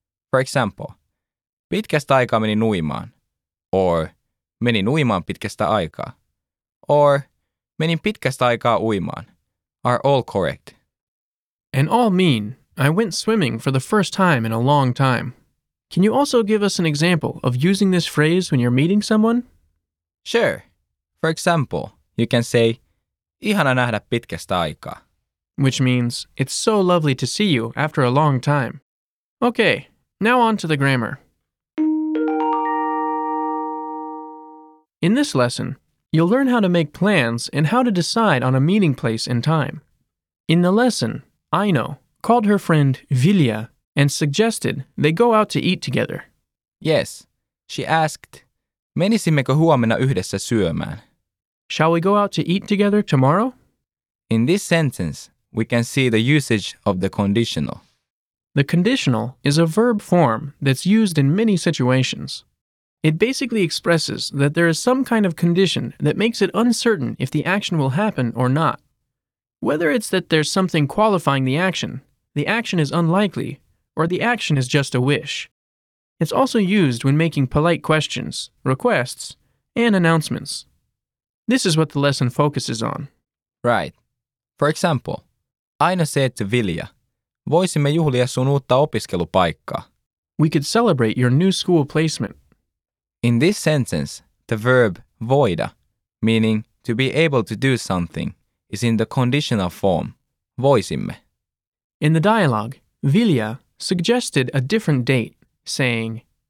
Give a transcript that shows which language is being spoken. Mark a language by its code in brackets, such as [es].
[en] For example, [fi] pitkästä aikaa menin uimaan, [en] or [fi] menin uimaan pitkästä aikaa, [en] or [fi] menin pitkästä aikaa uimaan, [en] are all correct. And all mean, I went swimming for the first time in a long time. Can you also give us an example of using this phrase when you're meeting someone? Sure. For example, you can say, [fi] ihana nähdä pitkästä aikaa. [en] Which means, it's so lovely to see you after a long time. Okay, now on to the grammar. In this lesson, you'll learn how to make plans and how to decide on a meeting place and time. In the lesson, Aino called her friend Vilja and suggested they go out to eat together. Yes, she asked, [fi] menisimmekö huomenna yhdessä syömään? [en] Shall we go out to eat together tomorrow? In this sentence, we can see the usage of the conditional. The conditional is a verb form that's used in many situations. It basically expresses that there is some kind of condition that makes it uncertain if the action will happen or not. Whether it's that there's something qualifying the action is unlikely, or the action is just a wish. It's also used when making polite questions, requests, and announcements. This is what the lesson focuses on. Right. For example, Aino said to Vilja, [fi] Voisimme juhlia sun uutta opiskelupaikkaa. [en] We could celebrate your new school placement. In this sentence, the verb voida, meaning to be able to do something, is in the conditional form, voisimme. In the dialogue, Vilja suggested a different date, saying,